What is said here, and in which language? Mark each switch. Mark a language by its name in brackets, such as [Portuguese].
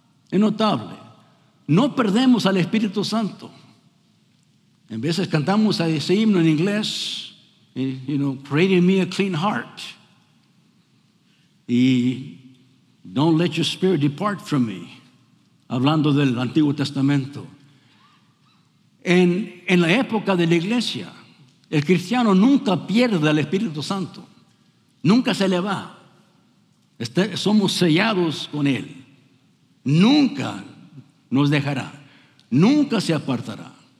[Spanish] Es notable. No perdemos al Espíritu Santo. En veces cantamos ese himno en inglés, [English] you know, create in me a clean heart. [Spanish] Y [English] don't let your spirit depart from me. [Spanish] Hablando del Antiguo Testamento. En la época de la iglesia, el cristiano nunca pierde al Espíritu Santo. Nunca se le va. Somos sellados con Él. Nunca nos dejará. Nunca se apartará.